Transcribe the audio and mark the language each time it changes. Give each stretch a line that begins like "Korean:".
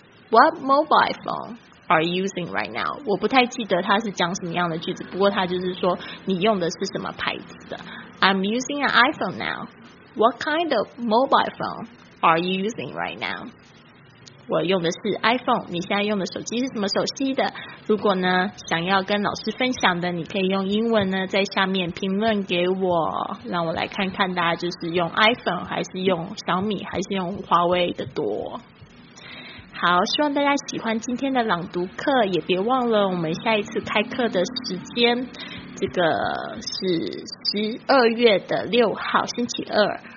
English: What mobile phone are you using right now?
Chinese: 我不太记得他是讲什么样的句子，不过他就是说你用的是什么牌子的。
English: I'm using an iPhone now. What kind of mobile phone are you using right now?
Chinese: 我用的是 iPhone， 你现在用的手机是什么手机的？如果呢想要跟老师分享的，你可以用英文呢在下面评论给我，让我来看看大家就是用 iPhone 还是用小米还是用华为的多。好，希望大家喜欢今天的朗读课，也别忘了我们下一次开课的时间，这个是12月的6号星期二，